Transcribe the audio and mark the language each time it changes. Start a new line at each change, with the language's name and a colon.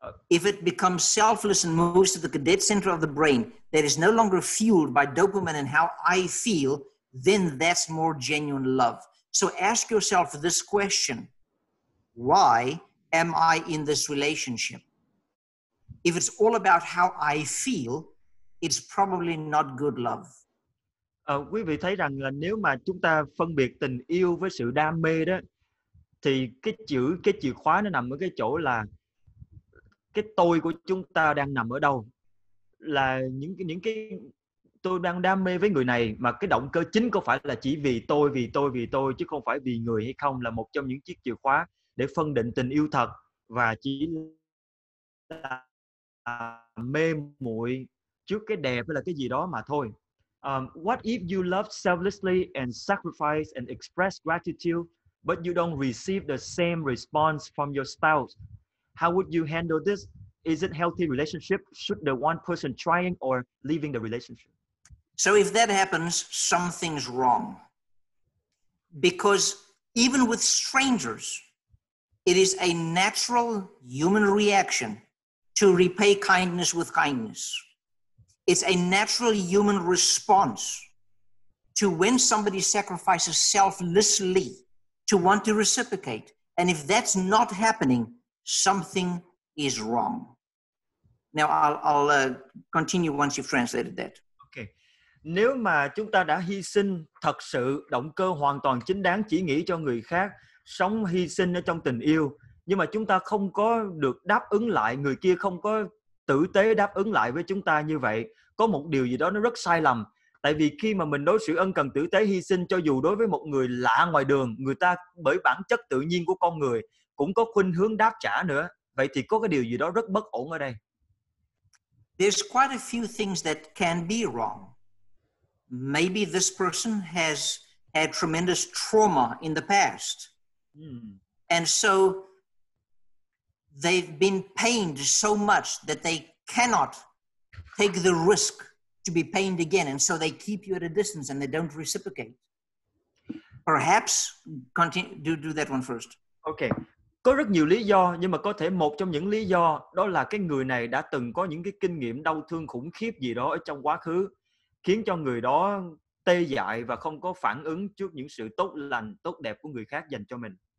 English: If it becomes selfless and moves to the cadet center of the brain that is no longer fueled by dopamine and how I feel, then that's more genuine love. So ask yourself this question. Why am I in this relationship? If it's all about how I feel, it's probably not good love.
Vietnamese: Quý vị thấy rằng là nếu mà chúng ta phân biệt tình yêu với sự đam mê đó, thì cái chìa khóa nó nằm ở cái chỗ là cái tôi của chúng ta đang nằm ở đâu. Là những cái tôi đang đam mê với người này mà cái động cơ chính có phải là chỉ vì tôi chứ không phải vì người hay không, là một trong những chiếc chìa khóa để phân định tình yêu thật và chỉ là mê muội trước cái đẹp hay là cái gì đó mà thôi.
English: What if you love selflessly and sacrifice and express gratitude, but you don't receive the same response from your spouse? How would you handle this? Is it healthy relationship? Should the one person trying or leaving the relationship? So if that happens, something's wrong. Because even with strangers, it is a natural human reaction to repay kindness with kindness. It's a natural human response to when somebody sacrifices selflessly to want to reciprocate. And if that's not happening, something is wrong. Now I'll continue once you've translated that. Okay.
Vietnamese: Nếu mà chúng ta đã hy sinh thật sự, động cơ hoàn toàn chính đáng chỉ nghĩ cho người khác, sống hy sinh ở trong tình yêu, nhưng mà chúng ta không có được đáp ứng lại, người kia không có tử tế đáp ứng lại với chúng ta như vậy, có một điều gì đó nó rất sai lầm. Tại vì khi mà mình đối xử ân cần tử tế hy sinh cho dù đối với một người lạ ngoài đường, người ta bởi bản chất tự nhiên của con người cũng có khuynh hướng đáp trả nữa. Vậy thì có cái điều gì đó rất bất ổn ở đây.
English: There's quite a few things that can be wrong. Maybe this person has had tremendous trauma in the past. And so they've been pained so much that they cannot take the risk to be pained again. And so they keep you at a distance and they don't reciprocate. Perhaps, do that one first. Okay.
Vietnamese: Có rất nhiều lý do, nhưng mà có thể một trong những lý do đó là cái người này đã từng có những cái kinh nghiệm đau thương khủng khiếp gì đó ở trong quá khứ, khiến cho người đó tê dại và không có phản ứng trước những sự tốt lành, tốt đẹp của người khác dành cho mình.